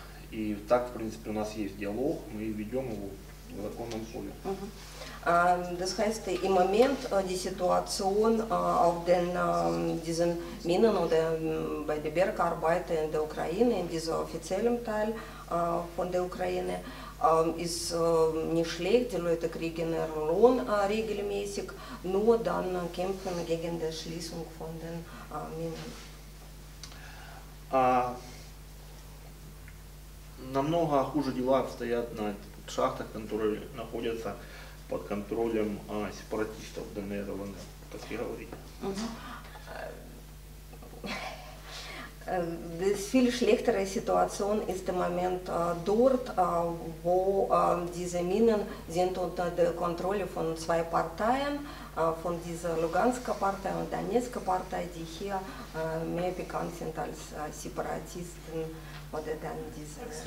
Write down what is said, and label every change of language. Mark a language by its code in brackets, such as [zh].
[ru] И так, в принципе, у нас есть диалог, мы ведем его в законном поле. [de] Das heißt, im Moment die Situation auf den diesen Minen oder bei den Bergarbeitern in der Ukraine, in diesem offiziellen Teil, von der Ukraine. Ist nicht schlecht, die Leute kriegen ihren Lohn regelmäßig, nur dann kämpfen gegen die Schließung von den Minen. [ru] Намного хуже дела обстоят на шахтах, которые находятся под контролем сепаратистов ДНР и ЛНР. Как я говорил. [de] Das viel schlechtere Situation ist im Moment dort, wo diese Minen sind unter der Kontrolle von zwei Parteien, von dieser Luganska Partei und Donetska Partei, die hier mehr bekannt sind als Separatisten oder dann diese